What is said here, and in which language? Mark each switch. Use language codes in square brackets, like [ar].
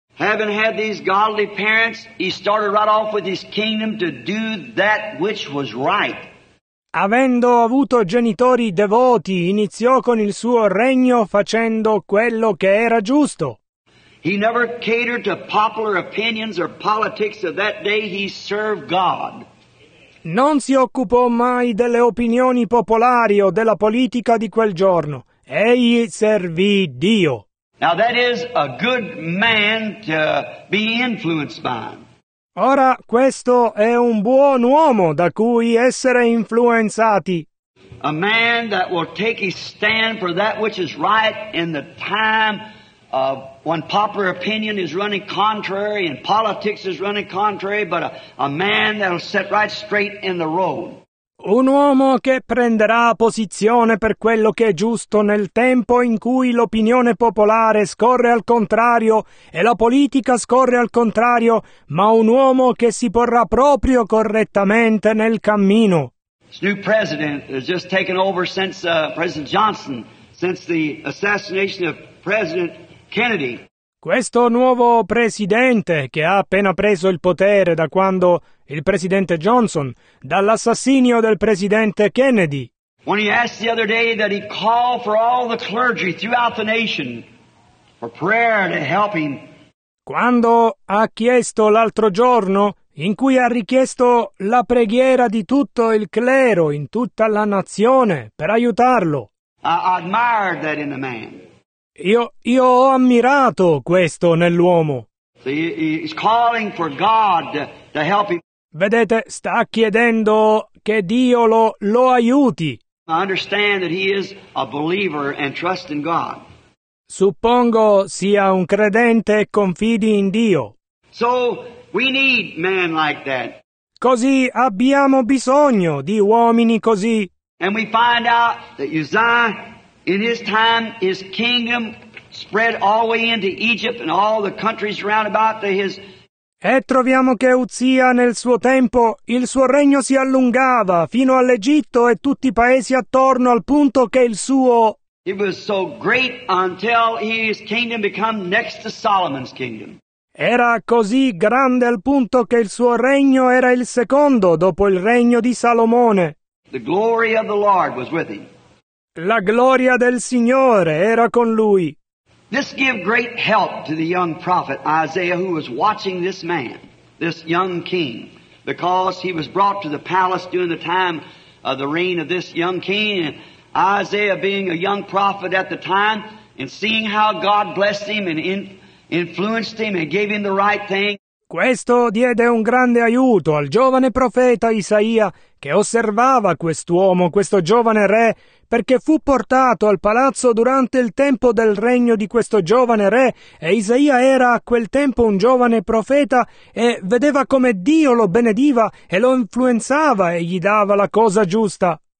[en] Having had these godly parents, he started right off with his kingdom to do that which was right. [it] Avendo avuto genitori devoti, iniziò con il suo regno facendo quello che era giusto. [en] He never catered to popular opinions or politics of that day. He served God. [it] Non si occupò mai delle opinioni popolari o della politica di quel giorno. Egli servì Dio. [en] Now that is a good man to be influenced by. [it] Ora, questo è un buon uomo da cui essere influenzati. [en] A man that will take his stand for that which is right in the time of when popular opinion is running contrary and politics is running contrary, but a man that will set right straight in the road. [it] Un uomo che prenderà posizione per quello che è giusto nel tempo in cui l'opinione popolare scorre al contrario e la politica scorre al contrario, ma un uomo che si porrà proprio correttamente nel cammino. [en] This new president has just taken over since President Johnson, since the assassination of President Kennedy. [it] Questo nuovo presidente che ha appena preso il potere da quando il presidente Johnson, dall'assassinio del presidente Kennedy. [en] When he asked the other day that he call for all the clergy throughout the nation for prayer to help him. [it] Quando ha chiesto l'altro giorno, in cui ha richiesto la preghiera di tutto il clero in tutta la nazione per aiutarlo. [en] I admired that in the man. [it] Io ho ammirato questo nell'uomo. [en] He's calling for God to help him. [it] Vedete, sta chiedendo che Dio lo aiuti. [en] I understand that he is a believer and trusts in God. [it] Suppongo sia un credente e confidi in Dio. [en] So we need men like that. [it] Così abbiamo bisogno di uomini così. [en] And we find out that Uzziah, in his time, his kingdom spread all the way into Egypt and all the countries round about to his. [it] E troviamo che Uzia nel suo tempo il suo regno si allungava fino all'Egitto e tutti i paesi attorno al punto che il suo. [en] It was so great until his kingdom became next to Solomon's kingdom. [it] Era così grande al punto che il suo regno era il secondo dopo il regno di Salomone. [en] The glory of the Lord was with him. [it] La gloria del Signore era con lui. [en] This gave great help to the young prophet Isaiah, who was watching this man, this young king, because he was brought to the palace during the time of the reign of this young king. And Isaiah, being a young prophet at the time, and seeing how God blessed him and influenced him and gave him the right thing. [it] Questo diede un grande aiuto al giovane profeta Isaia, che osservava quest'uomo, questo giovane re, perché fu portato al palazzo durante il tempo del regno di questo giovane re, e Isaia era a quel tempo un giovane profeta e vedeva come Dio lo benediva e lo influenzava e gli dava la cosa giusta.